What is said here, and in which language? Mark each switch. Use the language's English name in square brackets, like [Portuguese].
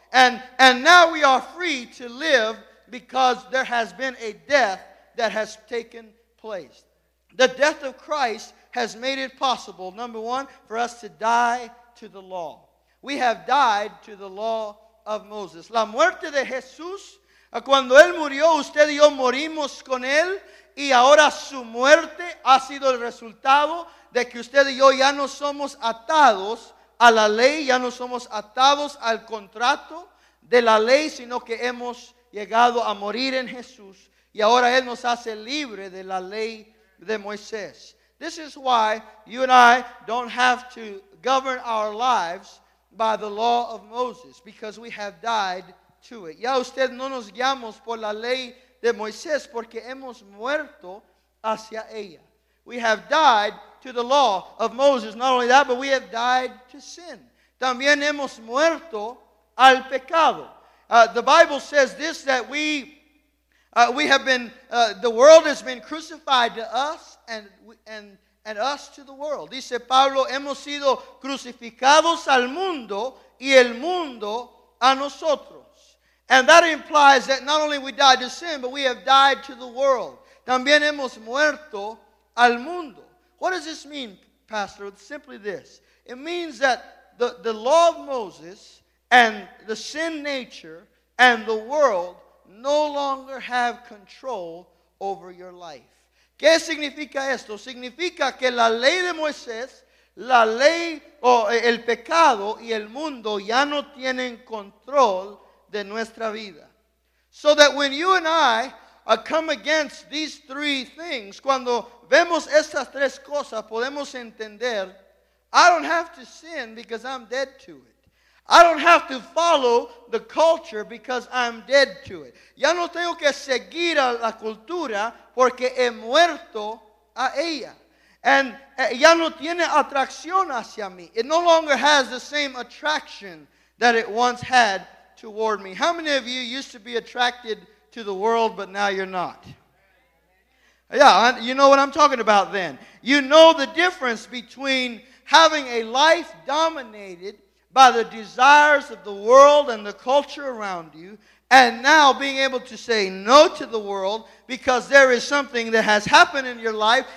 [English] And now we are free to live because there has been a death that has taken place. The death of Christ has made it possible, number one, for us to die to the law. We have died to the law of Moses. [Spanish] La muerte de Jesús, cuando él murió, usted y yo morimos con él, y ahora su muerte ha sido el resultado de que usted y yo ya no somos atados a la ley, ya no somos atados al contrato de la ley, sino que hemos llegado a morir en Jesús. Y ahora él nos hace libre de la ley de Moisés. [English] This is why you and I don't have to govern our lives by the law of Moses, because we have died to it. [Spanish] Ya usted no nos guiamos por la ley de Moisés porque hemos muerto hacia ella. [English] We have died to the law of Moses. Not only that, but we have died to sin. [Spanish] También hemos muerto al pecado. [English] The Bible says this, that the world has been crucified to us and us to the world. [Spanish] Dice Pablo, hemos sido crucificados al mundo y el mundo a nosotros. [English] And that implies that not only we died to sin, but we have died to the world. [Spanish] También hemos muerto al mundo. [English] What does this mean, Pastor? It's simply this. It means that the law of Moses and the sin nature and the world no longer have control over your life. [Spanish] ¿Qué significa esto? Significa que la ley de Moisés, la ley o el pecado y el mundo ya no tienen control de nuestra vida. [English] So that when you and I come against these three things, [Spanish] cuando vemos estas tres cosas, podemos entender, [English] I don't have to sin because I'm dead to it. I don't have to follow the culture because I'm dead to it. [Spanish] Ya no tengo que seguir a la cultura porque he muerto a ella. And ya no tiene atracción hacia mí. [English] It no longer has the same attraction that it once had toward me. How many of you used to be attracted to the world, but now you're not? Yeah, you know what I'm talking about then. You know the difference between having a life dominated by the desires of the world and the culture around you, and now being able to say no to the world because there is something that has happened in your life.